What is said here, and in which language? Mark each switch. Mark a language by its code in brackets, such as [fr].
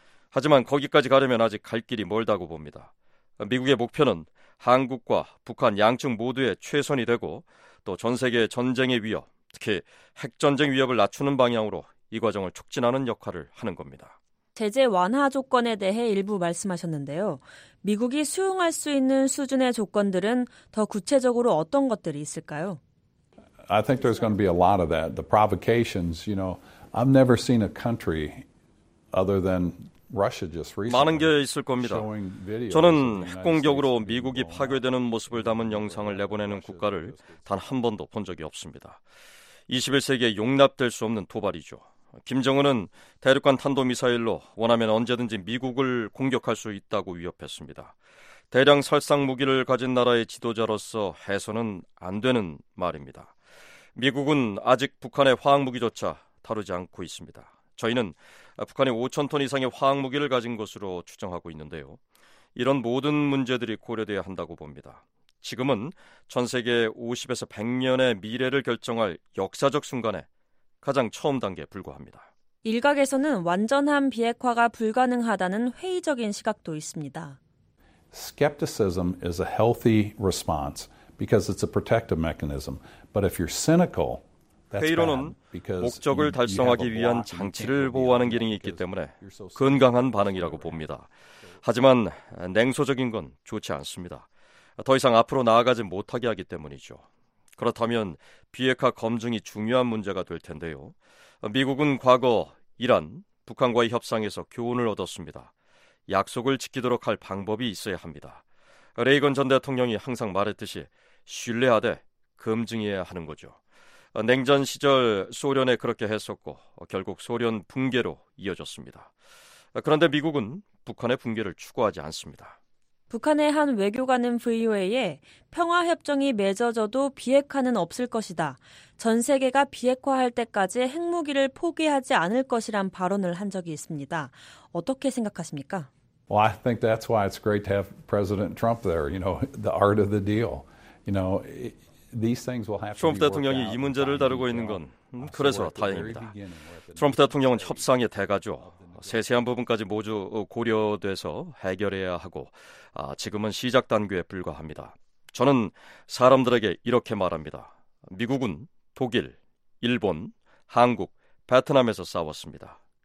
[ko] 하지만 거기까지 가려면 아직 갈 길이 멀다고 봅니다. 미국의 목표는 한국과 북한 양측 모두의 최선이 되고 또 전 세계 전쟁의 위협, 특히 핵전쟁 위협을 낮추는 방향으로 이 과정을 촉진하는 역할을 하는 겁니다. 제재 완화 조건에 대해 일부 말씀하셨는데요. 미국이 수용할 수 있는 수준의 조건들은 더 구체적으로 어떤 것들이 있을까요? [en] I think there's going to be a lot of that. The provocations, you know, I've never seen a country other than Russia just recently. [ko] 많은 게 있을 겁니다. 저는 핵공격으로 미국이 파괴되는 모습을 담은 영상을 내보내는 국가를 단 한 번도 본 적이 없습니다. 21세기에 용납될 수 없는 도발이죠. 김정은은 대륙간 탄도미사일로 원하면 언제든지 미국을 공격할 수 있다고 위협했습니다. 대량 살상 무기를 가진 나라의 지도자로서 해서는 안 되는 말입니다. 미국은 아직 북한의 화학무기조차 다루지 않고 있습니다. 저희는 북한이 5,000톤 이상의 화학무기를 가진 것으로 추정하고 있는데요. 이런 모든 문제들이 고려돼야 한다고 봅니다. 지금은 전 세계 50에서 100년의 미래를 결정할 역사적 순간에 가장 처음 단계에 불과합니다. 일각에서는 완전한 비핵화가 불가능하다는 회의적인 시각도 있습니다. [en] Skepticism is a healthy response because it's a protective mechanism. But if you're cynical, that's [ko] 회의론은 목적을 달성하기 위한 장치를 보호하는 기능이 있기 때문에 건강한 반응이라고 봅니다. 하지만 냉소적인 건 좋지 않습니다. 더 이상 앞으로 나아가지 못하게 하기 때문이죠. 그렇다면 비핵화 검증이 중요한 문제가 될 텐데요. 미국은 과거 이란, 북한과의 협상에서 교훈을 얻었습니다. 약속을 지키도록 할 방법이 있어야 합니다. 레이건 전 대통령이 항상 말했듯이 신뢰하되 검증해야 하는 거죠. 냉전 시절 소련에 그렇게 했었고 결국 소련 붕괴로 이어졌습니다. 그런데 미국은 북한의 붕괴를 추구하지 않습니다. 북한의 한 외교관은 VOA에 평화협정이 맺어져도 비핵화는 없을 것이다. 전 세계가 비핵화할 때까지 핵무기를 포기하지 않을 것이란 발언을 한 적이 있습니다. 어떻게 생각하십니까? [en] Well, I think that's why it's great to have President Trump there. You know, the art of the deal. You know, these things will have to be. [ko] 트럼프 대통령이 이 문제를 다루고 있는 건 그래서 다행입니다. 트럼프 대통령은 협상의 대가죠. 세세한 부분까지 모두 고려돼서 해결해야 하고 지금은 시작 단계에 불과합니다. 저는 사람들에게 이렇게 말합니다. 미국은 독일, 일본, 한국, 베트남에서 싸웠습니다.